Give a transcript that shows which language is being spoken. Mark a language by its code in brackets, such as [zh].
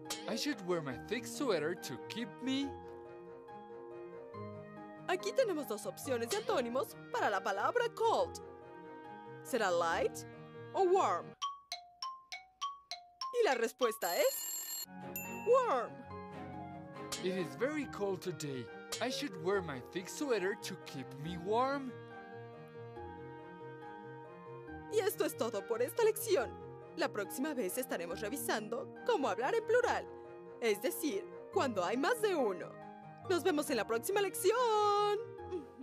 [en] I should wear my thick sweater to keep me... [es] Aquí tenemos dos opciones de antónimos para la palabra cold. ¿Será light o warm? Y la respuesta es... Warm. [en] It is very cold today. I should wear my thick sweater to keep me warm. [es] Y esto es todo por esta lección. La próxima vez estaremos revisando cómo hablar en plural, es decir, cuando hay más de uno. ¡Nos vemos en la próxima lección!